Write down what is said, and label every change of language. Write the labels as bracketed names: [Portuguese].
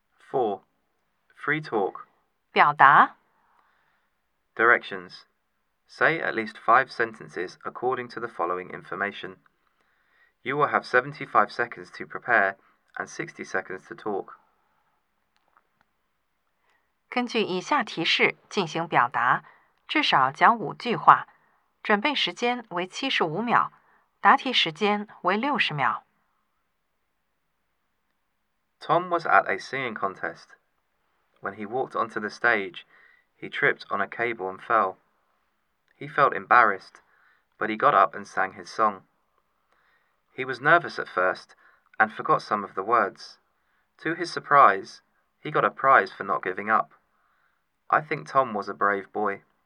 [English] 4. Free talk. [Chinese] 表达 [English] Directions. Say at least 5 sentences according to the following information. You will have 75 seconds to prepare and 60 seconds to talk. [Chinese] 根据以下提示进行表达，至少讲五句话，准备时间为75秒，答题时间为60秒。 [English] Tom was at a singing contest. When he walked onto the stage, he tripped on a cable and fell. He felt embarrassed, but he got up and sang his song. He was nervous at first and forgot some of the words. To his surprise, he got a prize for not giving up. I think Tom was a brave boy.